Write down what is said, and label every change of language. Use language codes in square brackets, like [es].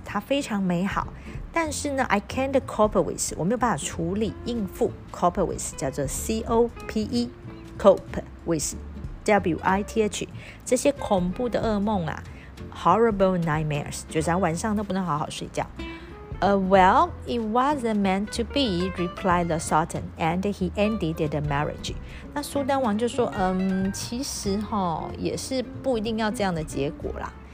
[zh] 她非常美好。但是呢 [en] I can't cope with. [zh] 我没有办法处理应付。Cope with 叫做 C-O-P-E. Cope with W-I-T-H. 这些恐怖的噩梦啊 [en] Horrible nightmares. [zh] 就是晚上都不能好好睡觉。 [en] Well, it wasn't meant to be, replied the Sultan, and he ended the marriage. [zh] 那苏丹王就说，其实哈也是不一定要这样的结果啦。